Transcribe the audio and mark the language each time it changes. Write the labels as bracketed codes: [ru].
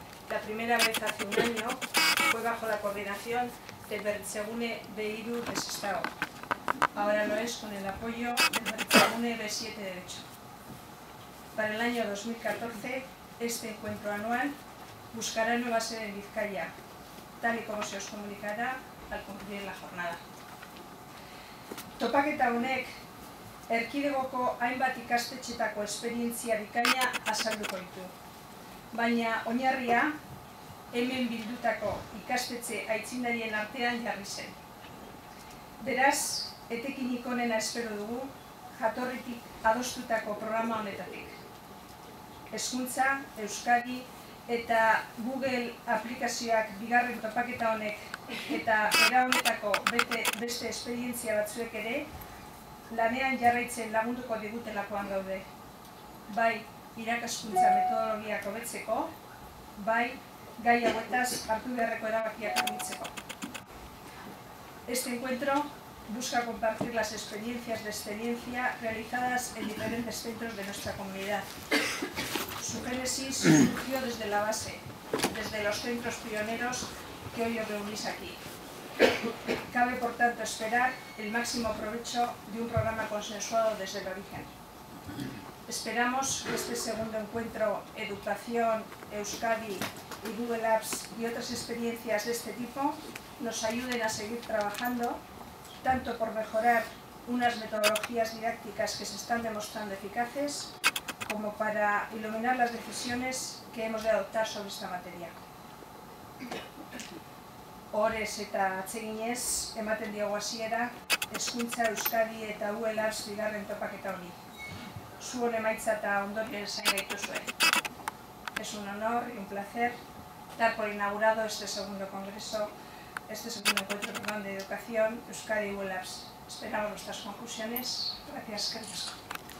[es] La primera vez hace un año fue bajo la coordinación del Berritzegune B3 de Sestao. Ahora lo es con el apoyo del Berritzegune B7 de Getxo. Para el año 2014, este encuentro anual buscará nueva sede en Bizkaia, tal y como se os comunicará al cumplir la jornada. [eu] Topaketa honek erkidegoko hainbat ikastetxetako esperientzia bikaina azalduko ditu. Baina oinarria hemen bildutako ikastetxe aitzindarien artean jarri zen. Beraz, etekinik onena espero dugu jatorritik adostutako programa honetatik. Hezkuntza, Euskadi eta Google aplikazioak bigarren topaketa honek eta era honetako beste esperientzia batzuek ere lanean jarraitzen lagunduko digutelakoan gaude. Bai, irakaskuntza metodologiak hobetzeko, bai, gai hauetaz hartu beharreko erabakiak hartzeko. [es] Este encuentro busca compartir las experiencias de excelencia realizadas en diferentes centros de nuestra comunidad. Su génesis surgió desde la base, desde los centros pioneros que hoy os reunís aquí. Cabe, por tanto, esperar el máximo provecho de un programa consensuado desde el origen. Esperamos que este segundo encuentro, Educación, Euskadi y Google Apps y otras experiencias de este tipo, nos ayuden a seguir trabajando, tanto por mejorar unas metodologías didácticas que se están demostrando eficaces, como para iluminar las decisiones que hemos de adoptar sobre esta materia. [eu] Ores eta atseginez, ematen diogu hasiera, Hezkuntza Euskadi eta Google Apps bigarren topaketa honi. Zuen emaitza eta ondorioen zain gaituzue. [es] Es un honor y un placer dar por inaugurado este segundo congreso, este segundo encuentro de educación, Euskadi y Google Apps. Esperamos vuestras conclusiones. Gracias, Carlos.